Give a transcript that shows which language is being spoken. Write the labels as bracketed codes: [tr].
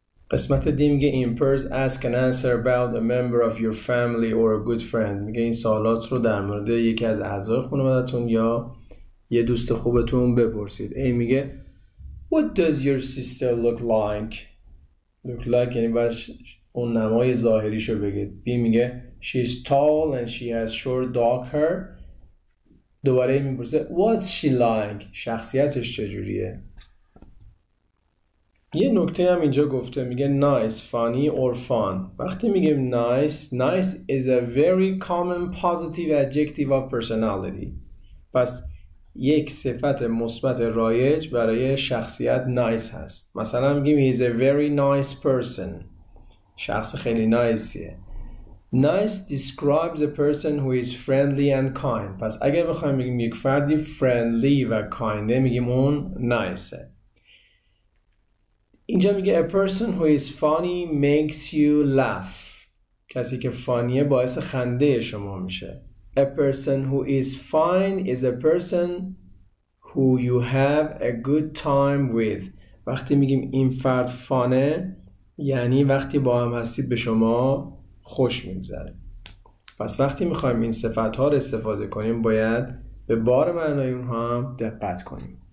[fa] قسمت دی میگه [en] impers ask and answer about a member of your family or a good friend. [fa] میگه این سوالات رو در مورد یکی از اعضای خانوادتون یا یه دوست خوبتون بپرسید. ای میگه [en] what does your sister look like? [fa] Look like یعنی باش اون نمای ظاهریشو بگید. بی میگه [en] she's tall and she has short dark hair. [fa] دوباره میپرسه [en] what's she like؟ [fa] شخصیتش چجوریه؟ یه نکته هم اینجا گفته، میگه nice، funny or fun. وقتی میگیم [en] nice is a very common positive adjective of personality. [fa] پس یک صفت مثبت رایج برای شخصیت nice هست. مثلا میگیم [en] he's a very nice person، [fa] شخص خیلی نایسیه. [en] Nice describes a person who is friendly and kind. [fa] پس اگر بخوایم بگیم یک فردی friendly و kind میگیم اون nice. اینجا میگه [en] a person who is funny makes you laugh. [fa] کسی که funnyه باعث خنده شما میشه. [en] A person who is fine is a person who you have a good time with. [fa] وقتی میگیم این فرد فانه یعنی وقتی با هم هستید به شما خوش میگذره. پس وقتی میخوایم این صفت ها رو استفاده کنیم باید به بار معنای اونها هم دقت کنیم.